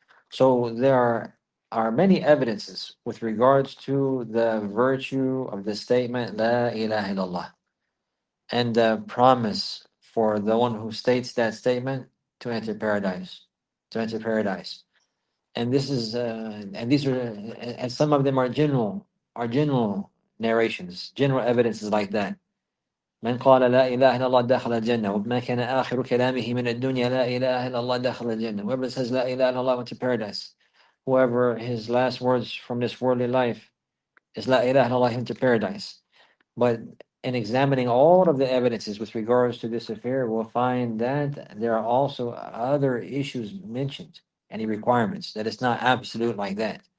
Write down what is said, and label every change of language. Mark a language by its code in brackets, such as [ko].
[en] So there are many evidences with regards to the virtue of the statement [ar] La ilaha illallah, [en] and the promise for the one who states that statement to enter paradise. And this is and these are and some of them are general narrations, general evidences like that. [ar] من قال لا إله إلا الله دخل الجنة ومن كان آخر كلامه من الدنيا لا إله إلا الله دخل الجنة. [en] Whoever says [ar] لا إله إلا الله [en] went to paradise. Whoever his last words from this worldly life is لا إله إلا الله went to paradise. But in examining all of the evidences with regards to this affair, we'll find that there are also other issues mentioned, any requirements, that it's not absolute like that.